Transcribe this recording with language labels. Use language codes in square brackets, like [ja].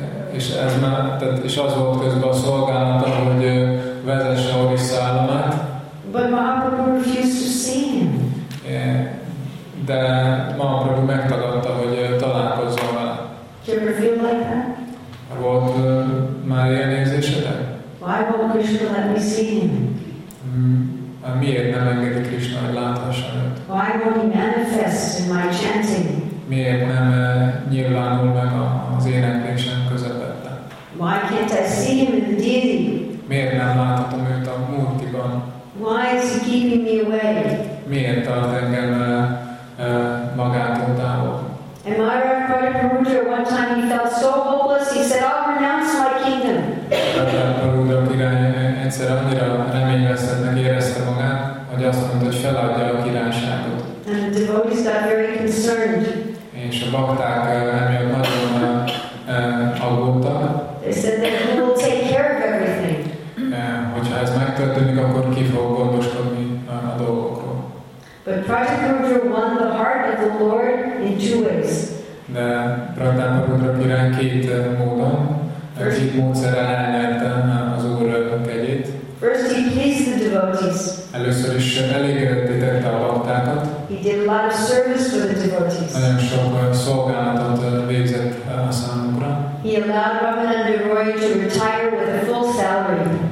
[hu] És az volt közben a szolgálata, hogy vezesse Orissa államát. [en] But Mahaprabhu refused to see him. [hu] De Mahaprabhu megtagadta, hogy találkozzon vele. [en] Can you feel like that? [hu] Volt már ilyen érzésedek? [en] Why won't Krishna let me see him? [hu] Miért nem engedi Krishna, hogy láthasson őt? [en] Why won't he manifest in my chanting? [hu] Miért nem nyilvánul meg az éneklésem közepette? [en] Why can't I see him in the deity? [hu] Miért nem láthatom őt a múltiban? [en] Why is he keeping me away? [hu] Miért tart engem magától távol? [en] And Mahārāja Pariparūdra, one time he felt so hopeless, he said, I'll renounce my kingdom. [hu] Pariparūdra király egyszer annyira reményvesztettnek érezte magát, hogy azt mondta, hogy feladja a királyságot. [en] And the devotees got very concerned. [hu] És a bakták emiatt nagyon aggódtak. [en] They said that he will take care of everything. [hu] Hogyha ez megtörténik, akkor ki fog a dolgokról. [en] But Pratapurudra won the heart of the Lord in two ways. [hu] De Pratapurudra király két módon, egyik módszerrel elnyerte az Úr kegyét. [en] First he pleased the devotees. [hu] Először is elégedetté tette a baktákat. [en] He did a lot of service for the devotees. [hu] Nagyon sok szolgálatot végzett a számukra. [en] He allowed Ramananda Roy to retire with a full salary.